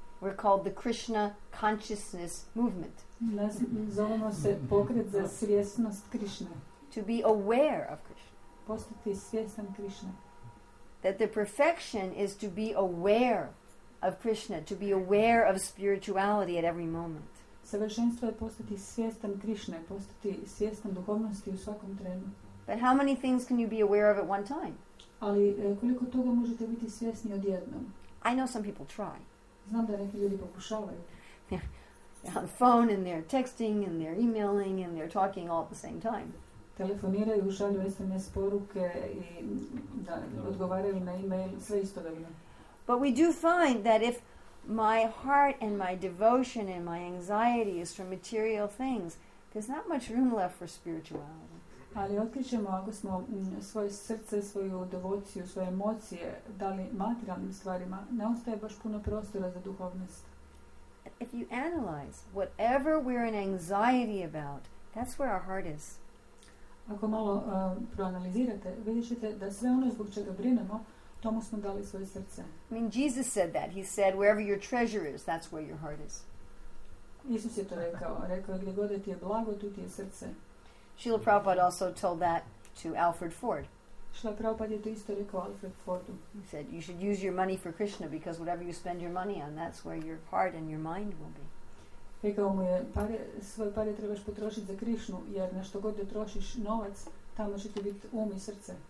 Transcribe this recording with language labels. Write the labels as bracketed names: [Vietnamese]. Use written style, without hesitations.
[English] We're called the Krishna Consciousness Movement. [Croatian] Zovemo se pokret za svjesnost Krishna. [English] To be aware of Krishna. [Croatian] Postati svjestan Krishna. [English] That the perfection is to be aware of Krishna, to be aware of spirituality at every moment. [Croatian] Savršenstvo je postati svjestan Krishna, postati svjestan duhovnosti u svakom trenu. [English] But how many things can you be aware of at one time? [Croatian] Ali koliko toga možete biti svjesni odjednom? [English] I know some people try. [Croatian] Znam da neki ljudi pokušavaju. [English] They're on the phone and they're texting and they're emailing and they're talking all at the same time. [Croatian] Telefoniraju, šalju SMS poruke i da, odgovaraju na email, sve istovremeno. [English] But we do find that if my heart and my devotion and my anxiety is for material things, there's not much room left for spirituality. [Croatian] Ali otkrićemo ako smo svoje srce, svoju devociju, svoje emocije dali materijalnim stvarima, ne ostaje baš puno prostora za duhovnost. [English] If you analyze whatever we're in anxiety about, that's where our heart is. [Croatian] Ako malo proanalizirate, vidjet ćete da sve ono zbog čega brinemo, tomu smo dali svoje srce. [English] I mean, Jesus said that. He said, wherever your treasure is, that's where your heart is. [Croatian] Isus je to rekao. Rekao, gdje god ti je blago, tu ti je srce. [English] Srila Prabhupada also told that to Alfred Ford. [Croatian] Srila Prabhupada je to isto rekao Alfred Fordu. [English] He said, you should use your money for Krishna, because whatever you spend your money on, that's where your heart and your mind will be. [Croatian] Rekao mu je, pare, svoje pare trebaš potrošiti za Krishnu, jer na što god da trošiš novac, tamo će ti biti um i srce.